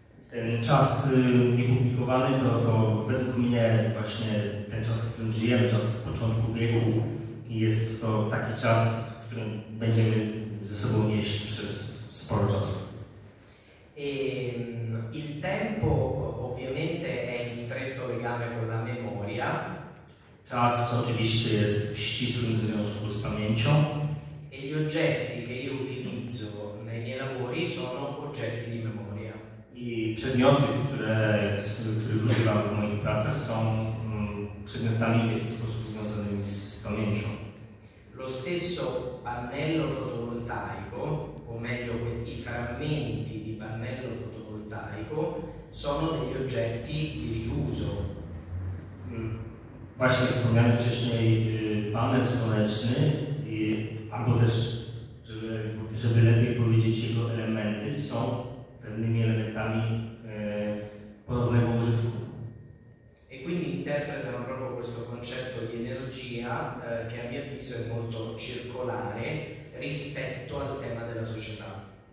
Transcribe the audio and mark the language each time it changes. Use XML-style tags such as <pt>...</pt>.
<pl>Ten czas niepublikowany to według mnie właśnie ten czas, w którym żyjemy, czas początku wieku. Jest to taki czas, w którym będziemy ze sobą nieść przez sporo czasu.</pl> <it>Il tempo ovviamente è in stretto legame con la memoria</it> <pl>Czas oczywiście jest w ścisłym związku z pamięcią.</pl> <it>e gli oggetti che io utilizzo nei miei lavori sono oggetti di memoria.</it> <pl>I przedmioty, których używam w moich pracach, są przedmiotami w jakiś sposób związanymi z pamięcią.</pl> <it>Lo stesso pannello fotovoltaico, o meglio, i frammenti di pannello fotovoltaico sono degli oggetti di riuso.</it> <pl>Właśnie wspomniany wcześniej panel słoneczny, albo też, żeby lepiej powiedzieć, jego elementy są pewnymi elementami ponownego użytku.</pl> <it>E quindi interpretano proprio questo concetto di energia che a mio avviso è molto circolare rispetto al tema della società.</it>